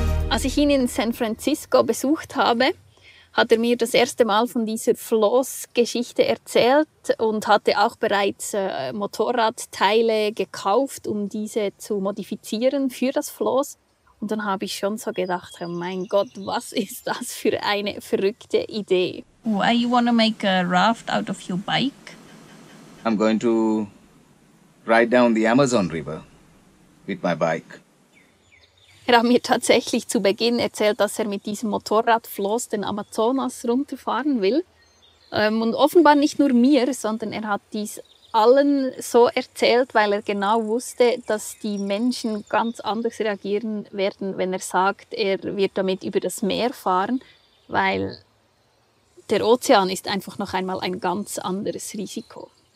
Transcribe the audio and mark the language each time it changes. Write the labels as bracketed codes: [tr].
[de] Als ich ihn in San Francisco besucht habe, hat er mir das erste Mal von dieser Floßgeschichte erzählt und hatte auch bereits Motorradteile gekauft, um diese zu modifizieren für das Floß. Und dann habe ich schon so gedacht, oh mein Gott, was ist das für eine verrückte Idee? [en] Why you wanna make a raft out of your bike? I'm going to ride down the Amazon River with my bike. [de] Er hat mir tatsächlich zu Beginn erzählt, dass er mit diesem Motorradfloß den Amazonas runterfahren will. Und offenbar nicht nur mir, sondern er hat dies allen so erzählt, weil er genau wusste, dass die Menschen ganz anders reagieren werden, wenn er sagt, er wird damit über das Meer fahren, weil der Ozean ist einfach noch einmal ein ganz anderes Risiko.